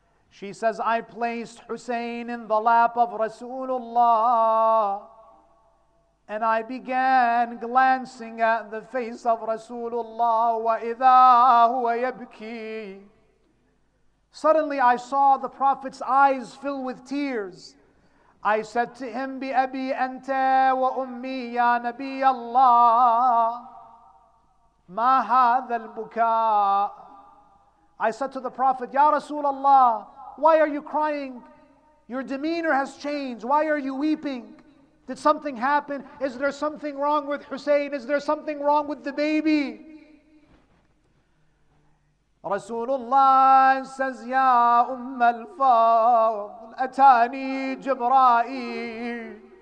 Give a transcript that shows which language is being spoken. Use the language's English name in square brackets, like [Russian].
[English] She says, I placed Hussein in the lap of Rasulullah and I began glancing at the face of Rasulullah. [Arabic] وَإِذَا هُوَ يَبْكِي. [English] Suddenly I saw the Prophet's eyes fill with tears. I said to him, [Arabic] بِأَبِي أَنْتَ وَأُمِّي يَا نَبِيَ اللَّهِ مَا هَذَا الْبُكَاءِ. [English] I said to the Prophet, [Arabic] يَا رَسُولَ اللَّهِ, [English] why are you crying? Your demeanor has changed. Why are you weeping? Did something happen? Is there something wrong with Hussein? Is there something wrong with the baby? Rasulullah says, Ya Umm al-Fadl, [Arabic] Atani Jibra'il.